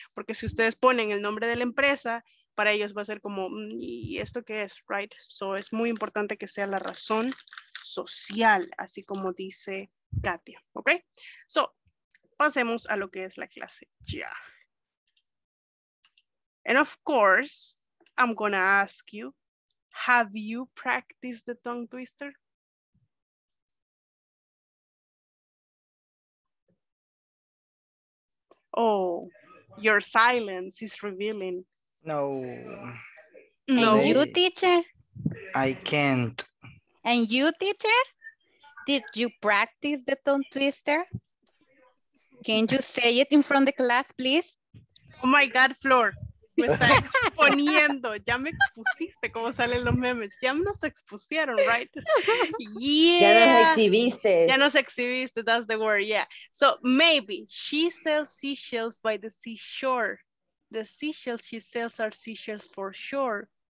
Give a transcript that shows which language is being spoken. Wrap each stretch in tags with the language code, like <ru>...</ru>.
<es>Porque si ustedes ponen el nombre de la empresa, para ellos va a ser como, ¿y esto qué es? Right? So, es muy importante que sea la razón social, así como dice Katia, ¿ok? So, pasemos a lo que es la clase ya.</es> <en>Yeah. And of course, I'm gonna ask you, have you practiced the tongue twister? Oh, your silence is revealing. No. And no. You, teacher? I can't. And you, teacher? Did you practice the tongue twister? Can you say it in front of the class, please? Oh my God, Flor.</en> <es>Me está exponiendo, ya me expusiste cómo salen los memes, ya nos expusieron, right? Yeah. Ya nos exhibiste. Ya nos exhibiste, that's the word, yeah.</es> <en>So maybe she sells seashells by the seashore. The seashells she sells are seashells for sure.</en>